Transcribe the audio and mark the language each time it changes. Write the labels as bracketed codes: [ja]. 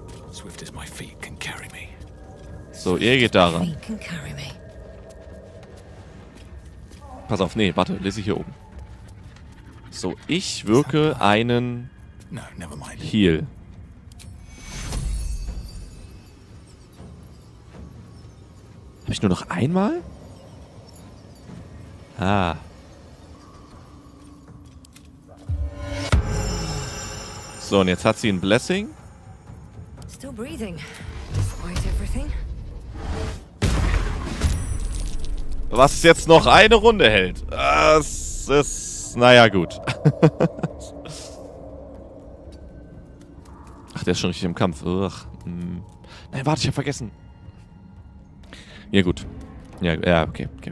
[en] Swift as my feet can carry me. [de] So, ihr geht daran. Pass auf, nee, warte, lese ich hier oben. So, ich wirke einen Heal. Hab ich nur noch einmal? Ah. So, und jetzt hat sie ein Blessing. [en] Still breathing, despite everything. [de] Was jetzt noch eine Runde hält. Es ist... Naja, gut. Ach, der ist schon richtig im Kampf. Ugh. Nein, warte, ich hab vergessen. Ja, gut. Ja, okay.